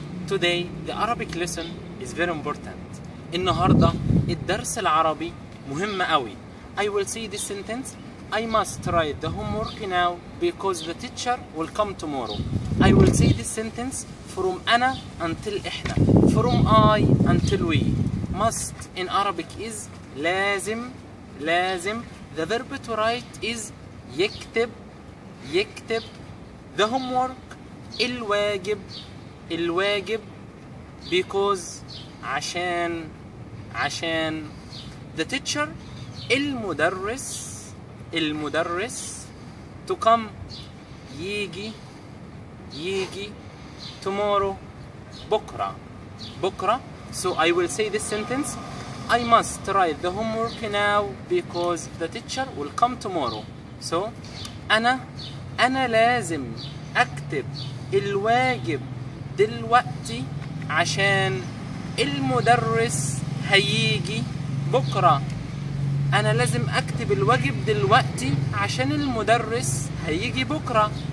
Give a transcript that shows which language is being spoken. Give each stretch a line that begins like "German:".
English: Today the Arabic lesson is very important.
Arabic: النهاردة الدرس العربي مهم قوي.
English: I will say this sentence. I must try the homework now because the teacher will come tomorrow. I will say this sentence from أنا until إحنا. From I until we. Must in Arabic is لازم لازم. The verb to write is يكتب يكتب. The homework الواجب الواجب. Because عشان عشان. The teacher المدرس المدرس. To come يجي يجي. Tomorrow بكرة بكرة. So I will say this sentence. I must write the homework now because the teacher will come tomorrow.
Arabic: So أنا لازم أكتب الواجب دلوقتي عشان المدرس هيجي بكرة. أنا لازم أكتب الواجب دلوقتي عشان المدرس هيجي بكرة.